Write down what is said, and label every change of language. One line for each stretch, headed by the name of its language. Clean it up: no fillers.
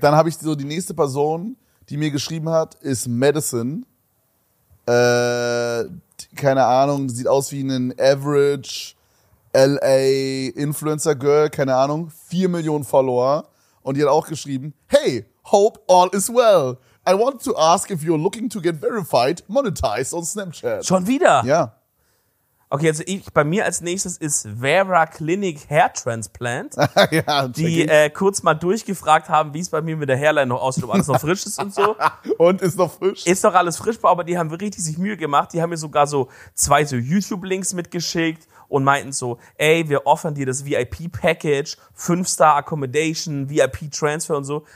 German: Dann habe ich so die nächste Person, die mir geschrieben hat, ist Madison. Keine Ahnung, sieht aus wie ein Average LA Influencer Girl, keine Ahnung, 4 Millionen Follower. Und die hat auch geschrieben, hey,
English: hope all is well. I want to ask if you're looking to get verified, monetized on Snapchat.
German: Schon wieder? Ja. Okay, also bei mir als nächstes ist Vera Clinic Hair Transplant, ja, die kurz mal durchgefragt haben, wie es bei mir mit der Hairline noch aussieht, ob alles noch frisch ist und so. Und ist noch frisch? Ist doch alles frisch, aber die haben richtig sich Mühe gemacht. Die haben mir sogar so 2 so YouTube-Links mitgeschickt und meinten so, ey, wir offern dir das VIP-Package, 5-Star-Accommodation, VIP-Transfer und so.